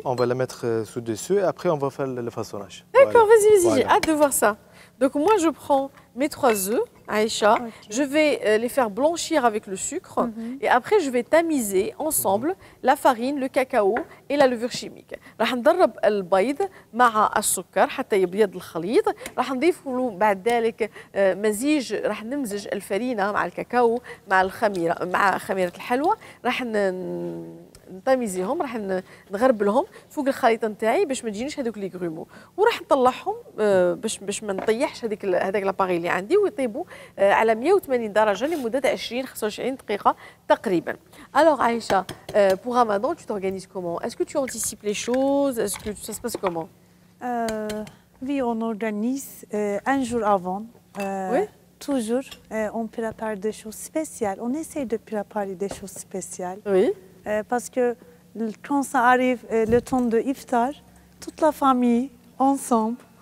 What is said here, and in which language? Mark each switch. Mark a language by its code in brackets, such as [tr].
[fr] On va le mettre sous-dessus. Et après, on va faire le façonnage. D'accord, voilà. Vas-y. J'ai hâte de voir ça. Donc, moi, je prends mes 3 œufs. Aïcha. Okay. Je vais les faire blanchir avec le sucre et après je vais tamiser ensemble la farine, le cacao et la levure chimique. [ar] راح ندرب البيض مع السكر حتى يبيض الخليط. راح نضيف له بعد ذلك مزيج راح نمزج الفرينة مع الكاكاو مع الخميرة مع خميرة الحلوى. راح نتاميزيهم راح نغربلهم فوق الخليط نتاعي باش ما تجينيش هذوك لي غرومو وراح نطلعهم باش ما نطيحش هذاك لاباري اللي عندي ويطيبوا على 180 درجه لمده 20-25 دقيقه تقريبا. [fr] الوغ عائشه بو رمضان tu t'organises comment? Est-ce que tu anticipes les choses? Est-ce que ça se passe comment? Oui, on organise un jour avant. Toujours on prépare des choses spéciales. On essaie de préparer des choses spéciales. Oui. Parce que quand ça arrive le temps de iftar, toute la famille ensemble,